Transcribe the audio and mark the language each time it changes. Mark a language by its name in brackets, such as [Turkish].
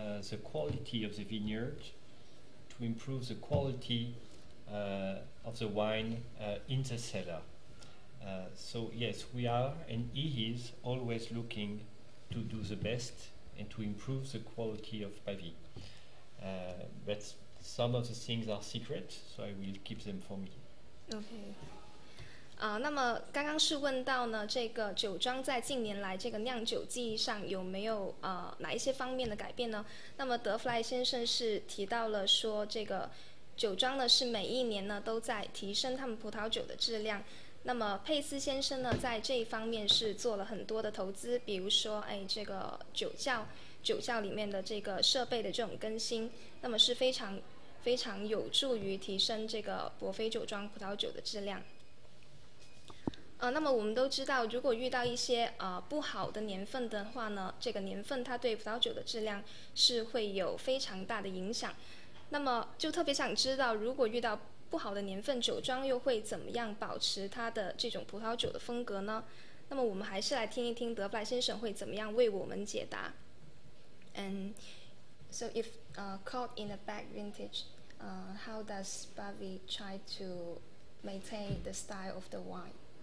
[English] the quality of the vineyard, to improve the quality of the wine in the cellar. So yes, we are, and he is, always looking to do the best and to improve the quality of Pavie. But some of the things are secret, so I will keep them for me. Okay. [Chinese] 那么刚刚是问到呢，这个酒庄在近年来这个酿酒技艺上有没有哪一些方面的改变呢？那么德弗莱先生是提到了说，这个酒庄呢是每一年呢都在提升他们葡萄酒的质量。那么佩斯先生呢在这一方面是做了很多的投资，比如说哎这个酒窖里面的这个设备的这种更新，那么是非常非常有助于提升这个伯菲酒庄葡萄酒的质量。那么我们都知道，如果遇到一些不好的年份的话呢，这个年份它对葡萄酒的质量是会有非常大的影响。那么就特别想知道，如果遇到不好的年份，酒庄又会怎么样保持它的这种葡萄酒的风格呢？那么我们还是来听一听德弗莱先生会怎么样为我们解答。 [English] And so if caught in a bad vintage, how does Pavie try to maintain the style of the wine?